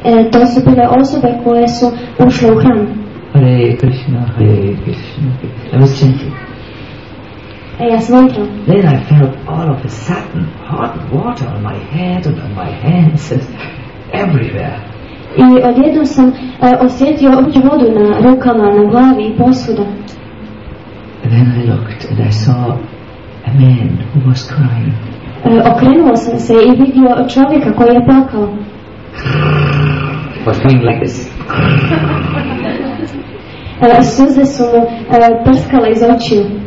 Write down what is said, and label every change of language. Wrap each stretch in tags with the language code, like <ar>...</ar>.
<hr>To su bile osobe koje su ušle u hram.</hr> <en>Hare Krishna, Hare Krishna. I was chanting.</en> <hr>Ja sam mantrao.</hr> <en>Then I felt all of a sudden hot water on my head and on my hands and everywhere.</en> <hr>I odjednom sam osjetio ovdje vodu na rukama, na glavi i posuda.</hr> <en>Then I looked and I saw a man who was crying.</en> <hr>Okrenuo sam se i vidio čovjeka koji je plakao.</hr> <en>Was going like this.</en> <hr>Suze su mu prskale iz očiju.</hr>